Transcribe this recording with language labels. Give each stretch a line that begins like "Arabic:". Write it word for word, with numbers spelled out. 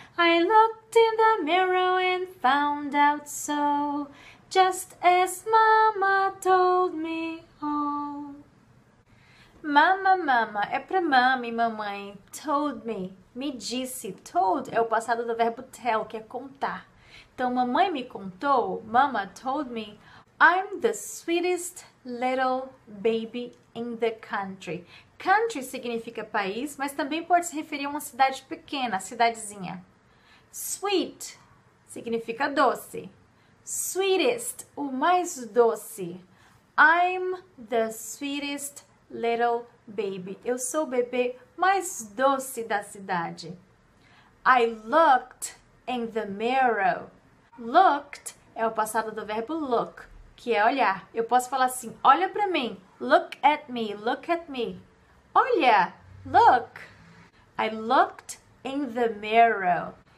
English: I looked in the mirror and found out so, just as mama told me, oh.
Portuguese: Mama, mama, é pra mami, mamãe.
English: Told me,
Portuguese: me disse. Told é o passado do verbo tell, que é contar. Então, mamãe me contou,
English: mama told me, I'm the sweetest little baby in the country.
Portuguese: Country significa país, mas também pode se referir a uma cidade pequena, cidadezinha. Sweet significa doce. Sweetest, o mais doce.
English: I'm the sweetest little baby.
Portuguese: Eu sou o bebê mais doce da cidade.
English: I looked in the mirror.
Portuguese: Looked é o passado do verbo look, que é olhar. Eu posso falar assim: olha pra mim.
English: Look at me, look at me.
Portuguese: Olha,
English: look. I looked in the mirror.